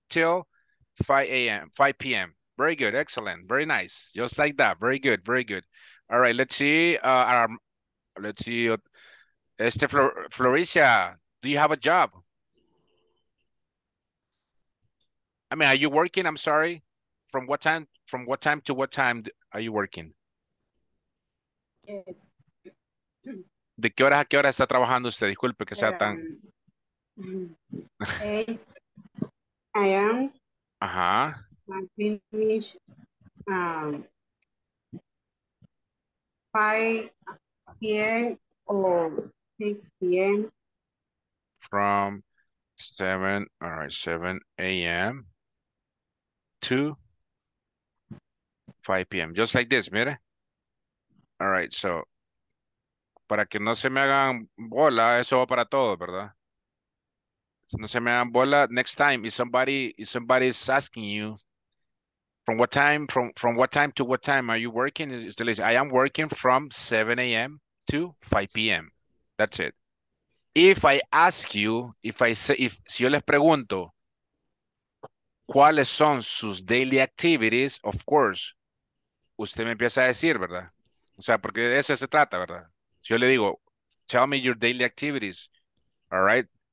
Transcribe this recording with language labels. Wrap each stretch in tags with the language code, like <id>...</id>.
<en>till 5 p.m. Very good, excellent. Very nice. Just like that. Very good, very good. All right, let's see. Let's see. Floricia, do you have a job? I mean, are you working? I'm sorry. From what time to what time are you working? Yes.</en> <es>¿De qué hora a qué hora está trabajando usted? Disculpe que sea tan...</es> <en>8 a.m. Ajá. I finish 5 p.m. or 6 p.m. From 7, all right, 7 a.m. to 5 p.m. Just like this, mire. All right, so...</en> <es>Para que no se me hagan bola, eso va para todos, ¿verdad? Si no se me hagan bola,</es> <en>next time, if somebody is asking you, from what time to what time are you working? Still is, I am working from 7 a.m. to 5 p.m. That's it. If I ask you,</en> <es>si yo les pregunto, ¿cuáles son sus</es> <en>daily activities?</en> <es>Of course, usted me empieza a decir, ¿verdad? O sea, porque de eso se trata, ¿verdad? Yo le digo,</es> <en>tell me your daily activities, all right?</en>